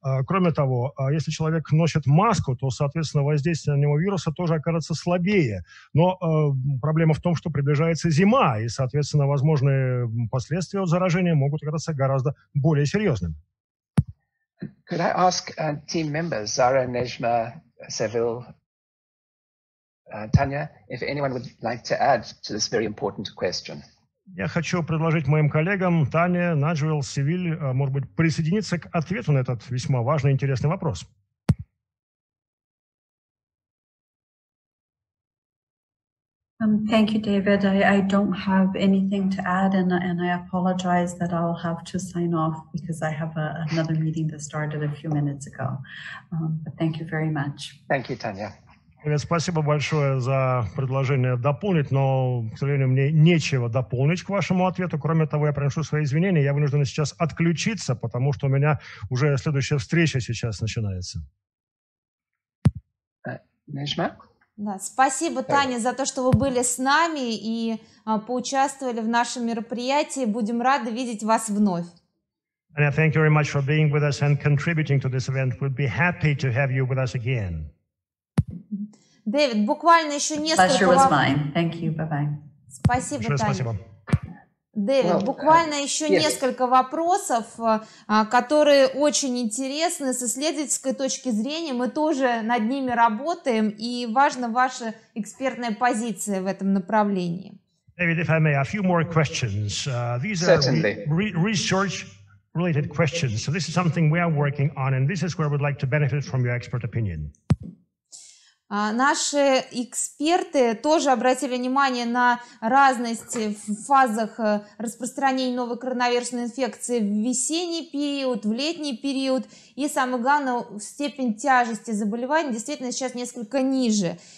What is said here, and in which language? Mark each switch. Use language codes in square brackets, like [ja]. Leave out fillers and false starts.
[ru] Кроме того, если человек носит маску, то, соответственно, воздействие на него вируса тоже окажется слабее. Но проблема в том, что приближается зима, и, соответственно, возможные последствия от заражения могут оказаться гораздо более серьезными. [en] Could I ask team members, Zara, Nejma, Seville, Tanya, if anyone would like to add to this very important question? [ru] Я хочу предложить моим коллегам, Тане, Наджвелл, Севиль, может быть, присоединиться к ответу на этот весьма важный и интересный вопрос. [en] Thank you, David. I don't have anything to add, and I apologize that I'll have to sign off because I have another meeting that started a few minutes ago. But thank you very much. Thank you, Tanya. [ru] Привет, спасибо большое за предложение дополнить, но, к сожалению, мне нечего дополнить к вашему ответу. Кроме того, я приношу свои извинения, я вынужден сейчас отключиться, потому что у меня уже следующая встреча сейчас начинается. Нежма? Да, спасибо, Таня, за то, что вы были с нами и поучаствовали в нашем мероприятии. Будем рады видеть вас вновь. [en] And thank you very much for being with us and contributing to this event. We'd be happy to have you with us again. [ru] Дэвид, буквально еще несколько вопросов. [en] Pleasure was mine. Thank you. Bye-bye. [ru] Спасибо, большое Таня. Спасибо. Дэвид, буквально еще несколько вопросов, которые очень интересны с исследовательской точки зрения. Мы тоже над ними работаем, и важна ваша экспертная позиция в этом направлении. [en] Дэвид, if I may, a few more questions. These are research-related questions. So this is something we are working on, and this is where we'd like to benefit from your expert opinion. [ru] Наши эксперты тоже обратили внимание на разность в фазах распространения новой коронавирусной инфекции в весенний период, в летний период и, самое главное, степень тяжести заболевания действительно сейчас несколько ниже.